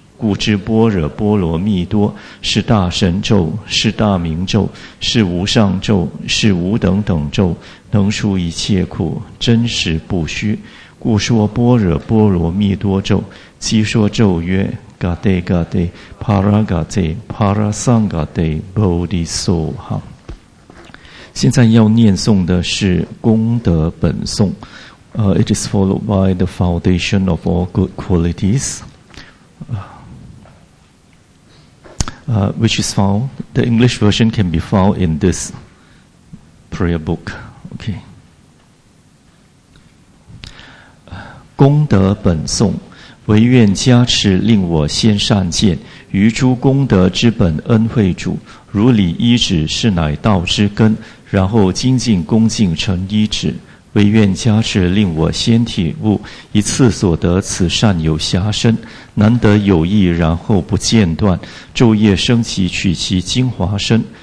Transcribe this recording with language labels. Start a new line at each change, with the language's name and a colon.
Chinese: 故知般若波罗蜜多是大神咒，是大明咒，是无上咒，是无等等咒，能除一切苦，真实不虚。故说般若波罗蜜多咒，即说咒曰：嘎得嘎得，帕拉嘎得，帕拉桑嘎得，波利苏哈。现在要念诵的是功德本颂，
English: It is followed by the foundation of all good qualities. Which is found, the English version can be found in this prayer book. Okay.
Chinese: 功德本颂，唯愿加持令我先善见，于诸功德之本恩惠主，如理依止是乃道之根，然后精进恭敬成依止。唯愿加持令我先体悟，一次所得此善有暇深，难得有意，然后不间断，昼夜升起取其精华身。